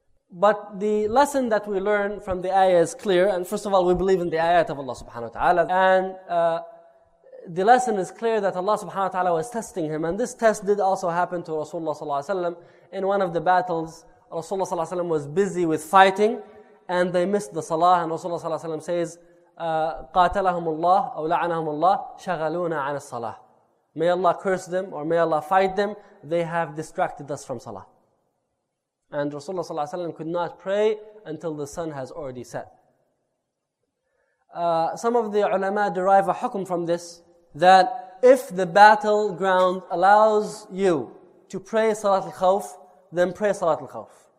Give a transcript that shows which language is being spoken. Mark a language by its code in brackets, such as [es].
[en] But the lesson that we learn from the ayah is clear. And first of all, we believe in the ayat of Allah subhanahu wa ta'ala. And the lesson is clear that Allah subhanahu wa ta'ala was testing him. And this test did also happen to Rasulullah sallallahu alayhi wa sallam. In one of the battles, Rasulullah sallallahu alayhi wa sallam was busy with fighting and they missed the salah. And Rasulullah sallallahu alayhi wa sallam says, [ar] قاتلهم الله أو لعنهم الله شغلونا عن الصلاة. [en] May Allah curse them or may Allah fight them. They have distracted us from salah. And Rasulullah sallallahu alayhi wa sallam could not pray until the sun has already set. Some of the ulama derive a hukum from this, that if the battleground allows you to pray Salat al-Khawf, then pray Salat al-Khawf.